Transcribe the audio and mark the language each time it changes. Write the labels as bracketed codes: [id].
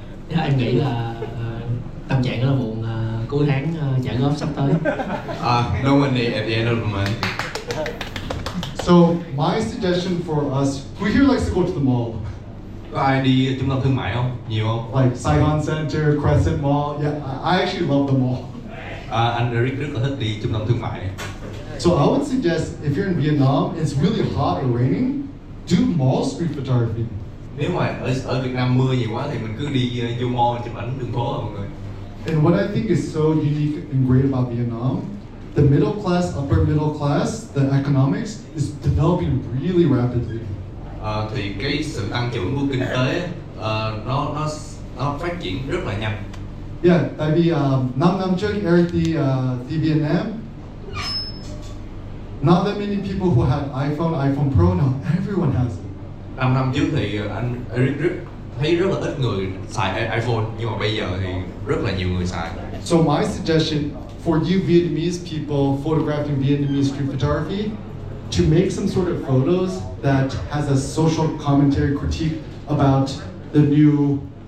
[vi] Dạ, em nghĩ là tâm trạng là buồn cuối tháng trả góp sắp tới. [en] No money at the end of the month. So my suggestion for us, who here likes to go to the mall? [vi] Có ai đi trung tâm thương mại không? Nhiều không? [en] Like Saigon Center, Crescent Mall. Yeah, I actually love the mall. [vi] Anh Eric rất là thích đi trung tâm thương mại. [en] So I would suggest if you're in Vietnam, it's really hot or raining, do mall street photography. [vi] Nếu mà ở Việt Nam mưa nhiều quá thì mình cứ đi vô mall chụp ảnh đường phố mọi người. [en] And what I think is so unique and great about Vietnam, the middle class, upper middle class, the economics is developing really rapidly. [vi] Thì cái sự tăng trưởng của kinh tế nó phát triển rất là nhanh. [en] Yeah, [vi] tại vì 5 năm trước Eric đi [en] Vietnam, not that many people who had iPhone Pro, now everyone has it. [vi] 5 năm trước thì anh Eric thấy rất là ít người xài iPhone, nhưng mà bây giờ thì rất là nhiều người xài. [en] So my suggestion for you Vietnamese people photographing Vietnamese street photography, to make some sort of photos that has a social commentary critique about the new